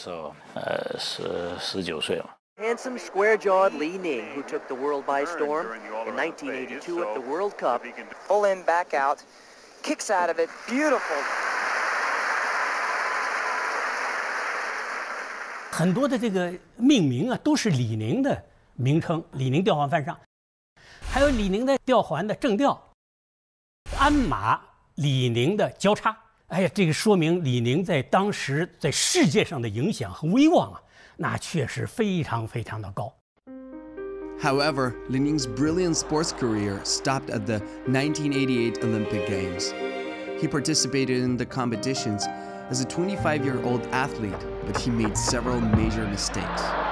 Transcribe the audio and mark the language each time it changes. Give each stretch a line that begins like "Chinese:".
Chinese: 太久了，对，因为每天都要面对未来很多新的工作。不过这个运动生涯里面，就是我第一次参加这个世界杯的时候，19岁嘛。
English: Handsome, square-jawed Li Ning, who took the world by storm in 1982 at the World Cup, full in, back out, kicks out of it, beautiful.
Chinese: 很多的这个命名啊，都是李宁的。名称李宁吊环犯上，还有李宁的吊环的正吊，鞍马李宁的交叉，哎呀，这个说明李宁在当时在世界上的影响和威望啊，那确实非常非常的高。
English: However, Li Ning's brilliant sports career stopped at the 1988 Olympic Games. He participated in the competitions as a 25-year-old athlete, but he made several major mistakes.